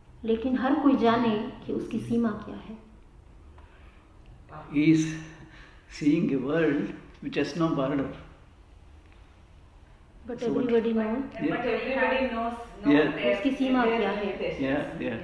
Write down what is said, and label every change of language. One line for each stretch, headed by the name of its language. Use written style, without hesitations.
Hindi: लेकिन हर कोई जाने कि उसकी सीमा क्या है.
English: He is seeing a world which has no border. But everybody knows. But everybody knows. Yeah.
Hindi: उसकी सीमा क्या है?
English: Yeah, yeah.